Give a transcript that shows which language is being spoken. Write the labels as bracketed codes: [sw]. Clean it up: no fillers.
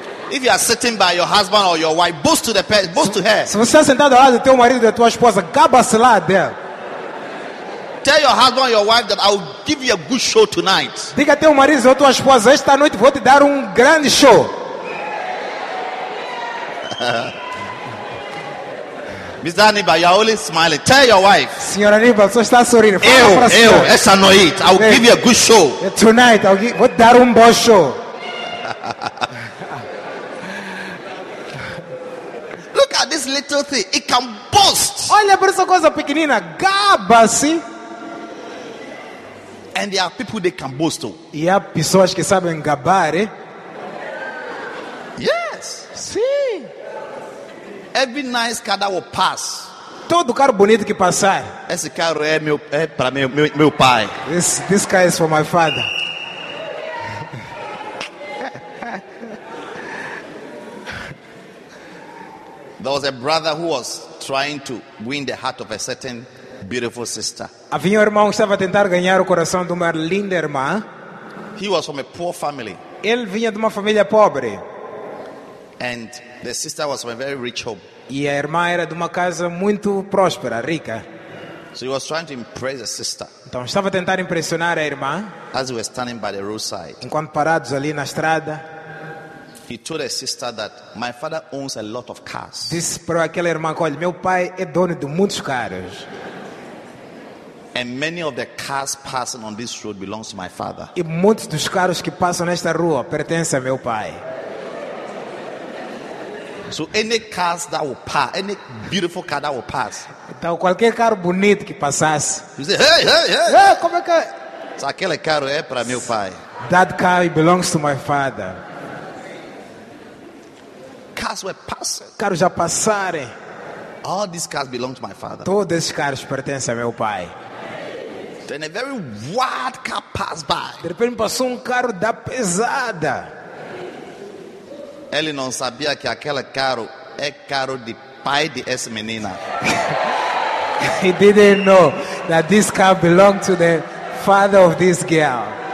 [en] If you are sitting by your husband or your wife, boast to the person, boast to her. [pt] Se você está sentado ao lado do teu marido ou da tua esposa, gaba-se lá dela. [en] Tell your husband or your wife that I will give you a good show tonight. [pt] Diga ao teu marido ou tua esposa, esta noite vou te dar grande show. [en] Mr. Aniba, you are only smiling. Tell your wife. [pt] Senhora Aniba, só está sorrindo. Eu, essa noite, [en] I will give you a good show. Tonight, I'll give, [pt] vou dar bom show. [en] Look at this little thing. It can boast. [pt] Olha para essa coisa pequenina. Gaba-se. [en] And there are people they can boast to. [pt] E há pessoas que sabem gabar, eh? [en] Yes. [pt] Sim. [en] Every nice car that will pass. [pt] Todo carro bonito que passar. Esse carro é para meu pai. [en] This car is for my father. There was a brother who was trying to win the heart of a certain beautiful sister. [pt] Havia irmão que estava a tentar ganhar o coração de uma linda irmã. [en] He was from a poor family. [pt] Ele vinha de uma família pobre. [en] And the sister was from a very rich home. [pt] E a irmã era de uma casa muito próspera, rica. [en] So he was trying to impress the sister. [pt] Então estava a tentar impressionar a irmã. [en] As we were standing by the roadside. [pt] Enquanto parados ali na estrada. [en] He told the sister that my father owns a lot of cars. [pt] Disse para aquela irmã, olha, meu pai é dono de muitos carros. [en] And many of the cars passing on this road belongs to my father. [pt] E muitos dos carros que passam nesta rua pertencem a meu pai. [en] So any cars that will pass, any beautiful car that will pass. [pt] Então qualquer carro bonito que passasse. [en] You say, hey. [pt] Hey, como é que? So aquele carro é para meu pai. [en] That car belongs to my father. Cars were passing. [pt] Carros já passaram. [en] All these cars belong to my father. [pt] Todos esses carros pertencem a meu pai. [en] Then a very wild car passed by. [pt] De repente passou carro da pesada. Ele não sabia que aquele carro é carro de pai de essa menina. [en] He didn't know that this car belonged to the father of this girl.